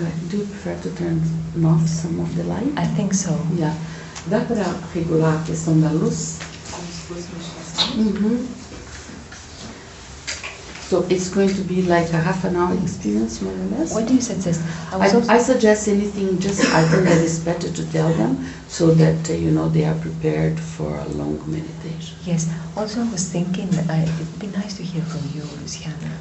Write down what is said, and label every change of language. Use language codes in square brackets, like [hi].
[en] Do you prefer to turn off some of the light? I think so. Yeah. [pt] Dá para regular a questão da luz? Uhum. [en] So it's going to be like a half an hour experience, more or less. What do you suggest? I suggest anything. Just I think that it's better to tell them so that you know they are prepared for a long meditation. Yes. Also, I was thinking it'd be nice to hear from you, Luciana.